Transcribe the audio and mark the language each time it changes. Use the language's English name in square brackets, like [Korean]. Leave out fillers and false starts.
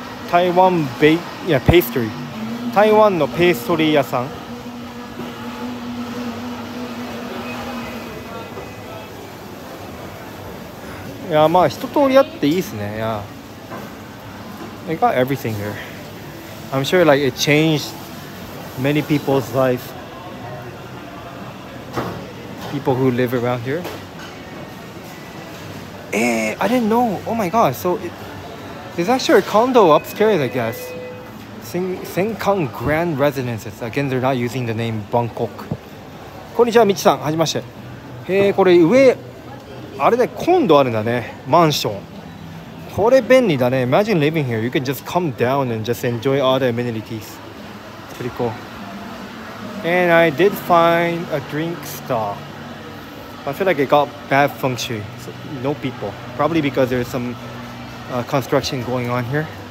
[English] Taiwan Pastry。 [Japanese] 台湾のペーストリー屋さん。いやまあ一通りあっていいですね。 [English] いや、they got everything here. I'm sure like it changed many people's life. People who live around here. Eh, I didn't know. Oh my god. So there's actually a condo upstairs, I guess. Sengkang Grand Residences. Again, they're not using the name Buangkok. [Japanese] こんにちは、みちさん。はじめまして。これ上。あれね、コンドあるんだね、マンション。これ便利だね。 [English] Imagine living here. You can just come down and just enjoy all the amenities. Pretty cool. And I did find a drink stall. I feel like it got bad feng shui. So, no people. Probably because there's some construction going on here.